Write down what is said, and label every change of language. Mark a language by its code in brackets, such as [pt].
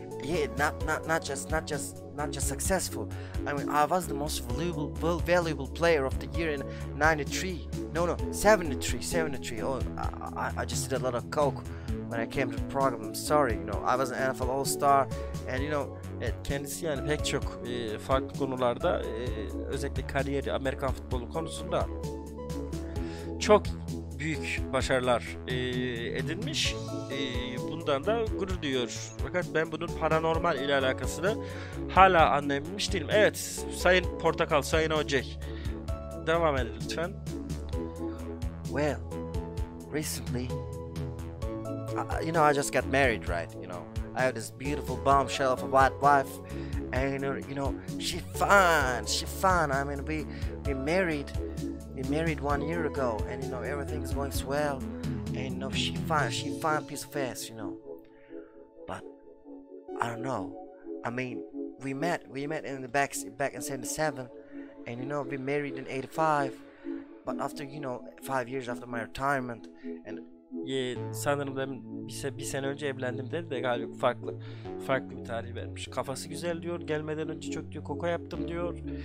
[en] Yeah, not just successful. I mean, I was the most valuable player of the year in 93. No, no, 73, 73. Oh, I just did a lot of coke when I came to the program. I'm sorry, you know, I was an NFL All-Star, and you know. [tr] Evet, kendisi yani pek çok farklı konularda, özellikle kariyeri, Amerikan futbolu konusunda çok büyük başarılar edinmiş. Bundan da gurur duyuyor. Fakat ben bunun paranormal ile alakasını hala anlayamamış değilim. Evet, Sayın Portakal, Sayın Ocek, devam edin lütfen. [en] Well, recently, you know, I just got married, right? You know, I have this beautiful bombshell of a white wife, and you know, she fine. I mean, we married 1 year ago, and you know, everything is going swell, and you know, she fine piece of ass, you know. But I don't know. I mean, we met in the back in 77, and you know, we married in 85. But after, you know, 5 years after my retirement, and [tr] Sanırım ben bir sene önce evlendim dedi de galiba farklı bir tarih vermiş. Kafası güzel diyor, gelmeden önce çok diyor koko yaptım diyor.